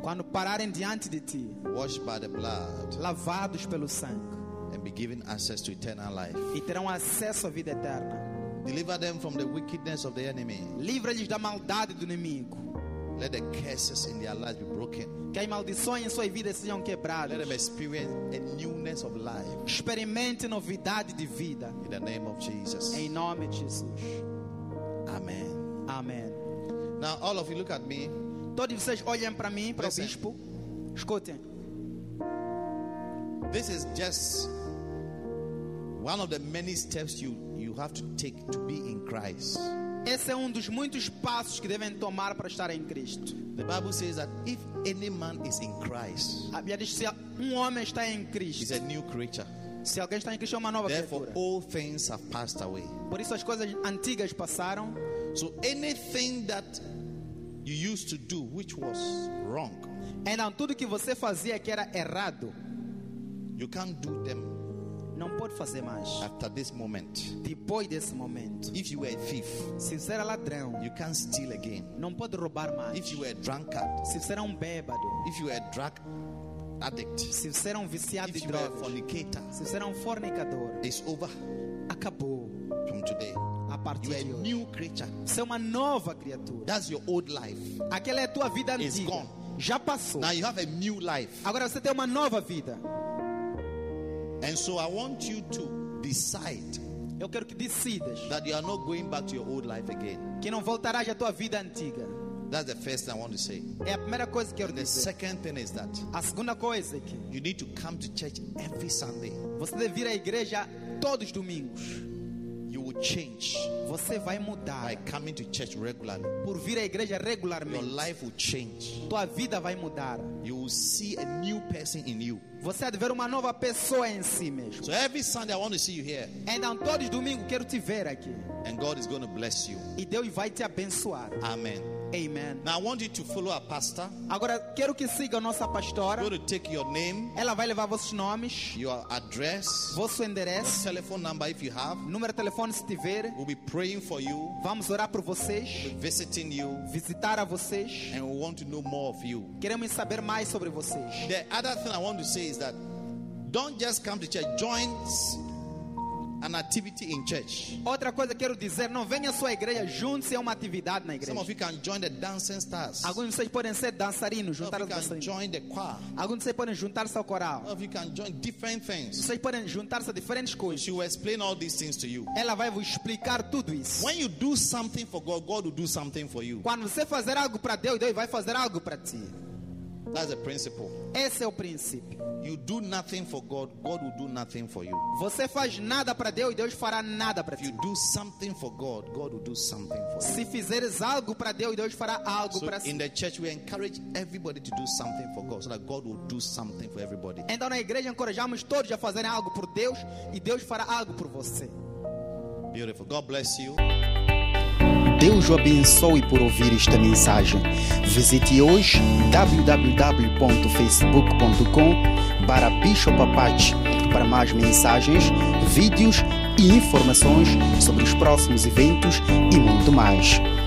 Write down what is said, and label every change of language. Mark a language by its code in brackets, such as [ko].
[pt] Quando pararem diante de ti. [en] Washed by the blood. [pt] Lavados pelo sangue. [en] And be given access to eternal life. [pt] E terão acesso à vida eterna. [en] Deliver them from the wickedness of the enemy. [pt] Livra-lhes da maldade do inimigo. [en] Let the curses in their lives be broken. [pt] Que as maldições em sua vida sejam quebradas. [en] Let them experience a newness of life. [pt] Experimente novidade de vida. [en] In the name of Jesus. [pt] Em nome de Jesus. [en] Amen. [pt] Amen. [en] Now all of you look at me. [pt] Todos vocês olhem para mim, para o bispo. Escutem. [en] This is just one of the many steps you have to take to be in Christ. [pt] Esse é dos muitos passos que devem tomar para estar em Cristo. [en] The Bible says that if any man is in Christ, [pt] a Bíblia diz que se um homem está em Cristo, [en] he's a new creature. [pt] Se alguém está em Cristo, é uma nova [en] Therefore, [pt] criatura. [en] All things have passed away. [pt] Por isso as coisas antigas passaram. [en] So anything that you used to do which was wrong. [pt] Então tudo que você fazia que era errado. [en] You can't do them. [pt] Não pode fazer mais. [en] After this moment. [pt] Depois desse momento. [en] If you were a thief. [pt] Se você era ladrão. [en] You can't steal again. [pt] Não pode roubar mais. [en] If you were a drunkard. [pt] Se você era bêbado. [en] If you were a drug addict. [pt] Se você era viciado de drogas. [en] If you were a fornicator. [pt] Se você era fornicador. [en] It's over. [pt] Acabou. [en] From today. [pt] A partir de hoje. [en] You are a new creature. [pt] Você é uma nova criatura. [en] That's your old life. [pt] Aquela é a tua vida antiga. [en] It's gone. [pt] Já passou. [en] Now you have a new life. [pt] Agora você tem uma nova vida. [en] And so I want you to decide. [pt] Eu quero que decidas. [en] That you are not going back to your old life again. [pt] Que não voltarás à tua vida antiga. [en] That's the first thing I want to say. [pt] É a primeira coisa que eu quero dizer. [en] The second thing is that. [pt] A segunda coisa é que. [en] You need to come to church every Sunday. [pt] Você deve vir à igreja todos os domingos. [en] You will change. [pt] Você vai mudar. [en] By coming to church regularly. [pt] Por vir à igreja regularmente. [en] Your life will change. [pt] Tua vida vai mudar. [en] You will see a new person in you. [pt] Você deve ver uma nova pessoa em si mesmo. [en] So every Sunday I want to see you here. [pt] Então todos os domingos quero te ver aqui. [en] And God is going to bless you. [pt] E Deus vai te abençoar. [en] Amen. [pt] Amen. [en] Now I want you to follow our pastor. [pt] Agora quero que siga a nossa pastora. [en] She's going to take your name. [pt] Ela vai levar vossos nomes. [en] Your address. [pt] Vosso endereço. [en] Your telephone number if you have. [pt] Número de telefone se tiver. [en] We'll be praying for you. [pt] Vamos orar por vocês. [en] We'll be visiting you. [pt] Visitar a vocês. [en] And we want to know more of you. [pt] Queremos saber mais sobre vocês. [en] The other thing I want to say is that don't just come to church, join an activity in church. [pt] Outra coisa quero dizer, não venha só à igreja, junte-se a uma atividade na igreja. [en] Some of you can join the dancing stars. [pt] Alguns de vocês podem ser dançarinos, juntar [en] Some of you can join the choir. [pt] Alguns de vocês podem juntar-se ao coral. [en] Some of you can join different things. [pt] Vocês podem juntar-se a diferentes coisas. [en] She will explain all these things to you. [pt] Ela vai vos explicar tudo isso. [en] When you do something for God, God will do something for you. [pt] Quando você fazer algo para Deus, Deus vai fazer algo para ti. [en] That's a principle. [pt] Esse é o princípio. [en] You do nothing for God, God will do nothing for you. [pt] Você faz nada para Deus e Deus fará nada para ti. [en] If you do something for God, God will do something for you. [pt] Se fizeres algo para Deus, Deus fará algo para [en] si. In the church we encourage everybody to do something for God so that God will do something for everybody. [pt] Então na igreja encorajamos todos a fazerem algo por Deus e Deus fará algo por você. [en] Beautiful. God bless you. [pt] Deus o abençoe por ouvir esta mensagem. Visite hoje www.facebook.com/bishopapache para mais mensagens, vídeos e informações sobre os próximos eventos e muito mais.